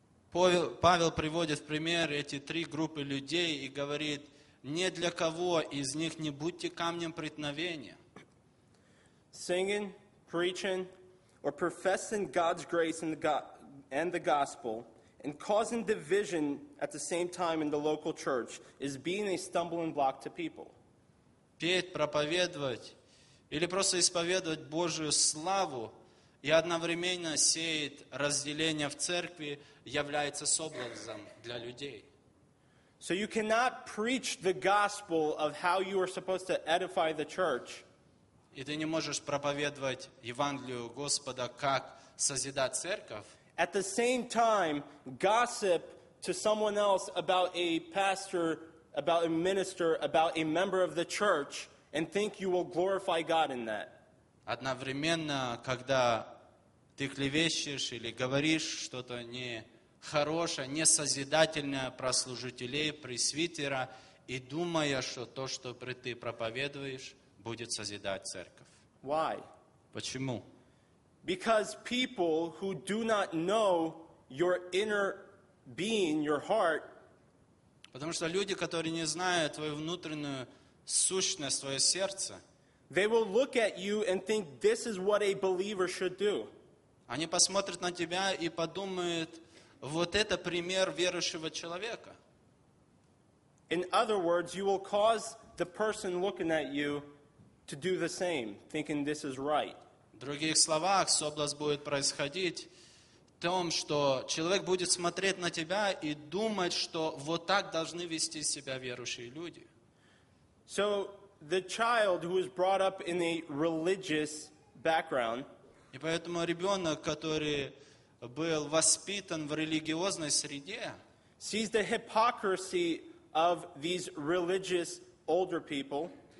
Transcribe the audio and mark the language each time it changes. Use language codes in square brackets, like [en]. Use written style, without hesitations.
[ru] Павел приводит в пример эти три группы людей и говорит: "Ни для кого из них не будьте камнем преткновения." [en] Singing, preaching, or professing God's grace and the gospel, and causing division at the same time in the local church is being a stumbling block to people. [ru] Петь, проповедовать или просто исповедовать Божию славу и одновременно сеять разделение в церкви является соблазном для людей. [en] So you cannot preach the gospel of how you are supposed to edify the church. [ru] И ты не можешь проповедовать Евангелию Господа, как созидать церковь. [en] At the same time, gossip to someone else about a pastor, about a minister, about a member of the church, and think you will glorify God in that. [ru] Одновременно, когда ты клевещешь или говоришь что-то не хорошее, не созидательное про служителей, пресвитера, и думая, что то, что ты проповедуешь, будет созидать церковь. [en] Why? [ru] Почему? [en] Because people who do not know your inner being, your heart, [ru] потому что люди, которые не знают твою внутреннюю сущность, твое сердце, [en] they will look at you and think this is what a believer should do. [ru] Они посмотрят на тебя и подумают, вот это пример верующего человека. [en] In other words, you will cause the person looking at you to do the same, thinking this is right. [ru] В других словах, соблазн будет происходить в том, что человек будет смотреть на тебя и думать, что вот так должны вести себя верующие люди. [en] So the child who is brought up in a religious background, [ru] и поэтому ребенок, который был воспитан в религиозной среде, [en] sees the hypocrisy of these religious older people,